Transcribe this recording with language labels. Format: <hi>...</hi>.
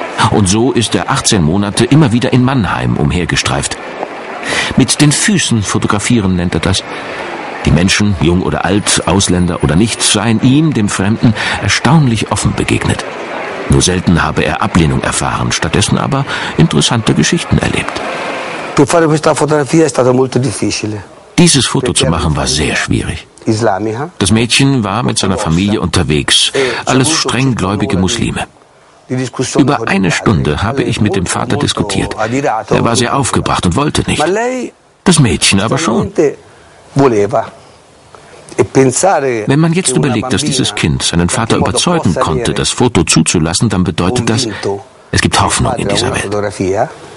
<de>Und so ist er 18 Monate immer wieder in Mannheim umhergestreift. Mit den Füßen fotografieren nennt er das. Die Menschen, jung oder alt, Ausländer oder nicht, seien ihm, dem Fremden, erstaunlich offen begegnet. Nur selten habe er Ablehnung erfahren, stattdessen aber interessante Geschichten erlebt.</de> <it>Per fare questa fotografia è stato molto difficile.</it> <de>Dieses Foto zu machen war sehr schwierig. Das Mädchen war mit seiner Familie unterwegs, alles streng gläubige Muslime. Über eine Stunde habe ich mit dem Vater diskutiert. Er war sehr aufgebracht und wollte nicht. Das Mädchen aber schon. Wenn man jetzt überlegt, dass dieses Kind seinen Vater überzeugen konnte, das Foto zuzulassen, dann bedeutet das, es gibt Hoffnung in dieser Welt.</de>